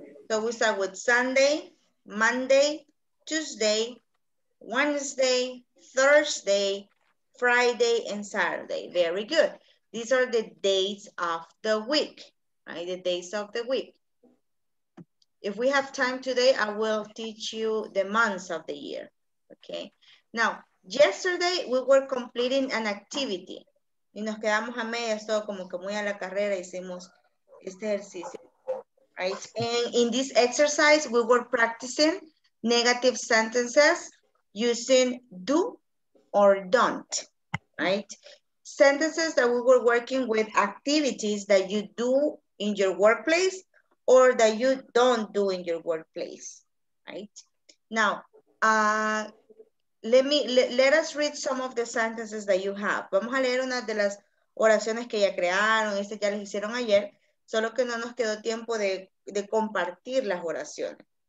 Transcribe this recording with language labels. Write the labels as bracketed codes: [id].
[en] So we start with Sunday, Monday, Tuesday, Wednesday, Thursday, Friday, and Saturday, very good. These are the days of the week, right? The days of the week. If we have time today, I will teach you the months of the year, okay? Now, yesterday we were completing an activity. [es] Y nos quedamos a medias, todo como que muy a la carrera, hicimos este ejercicio, right? [en] And in this exercise, we were practicing negative sentences using do or don't, right? Sentences that we were working with activities that you do in your workplace or that you don't do in your workplace, right? Now, let us read some of the sentences that you have. [es] Vamos a leer una de las oraciones que ya crearon, este ya les hicieron ayer, solo que no nos quedó tiempo de compartir las oraciones.